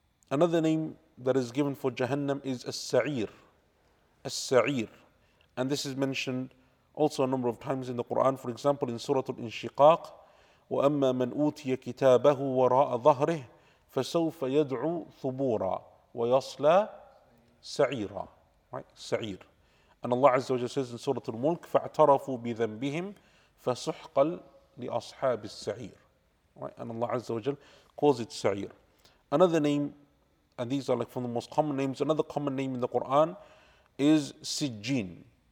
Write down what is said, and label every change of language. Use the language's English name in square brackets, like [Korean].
[English] Another name that is given for Jahannam is As-Sa'ir. As-Sa'ir, and this is mentioned also a number of times in the Quran. For example, in Surah Al-Inshiqaq, [Arabic] وَأَمَّا مَنْ أُوْتِيَ كِتَابَهُ وَرَاءَ ظَهْرِهِ فَسَوْفَ يَدْعُو ثُبُورًا وَيَصْلَى سَعِيرًا. [English] Right? Sa'ir. And Allah Azza wa Jalla says in Surah Al-Mulk, [Arabic] فَاَعْتَرَفُوا بِذَنْبِهِمْ فَسُحْقَلْ لِأَصْحَابِ السَّعِيرِ. [English] Right? And Allah Azza wa Jalla calls it Sa'ir. Another name, and these are like from the most common names, another common name in the Quran is Sijjin.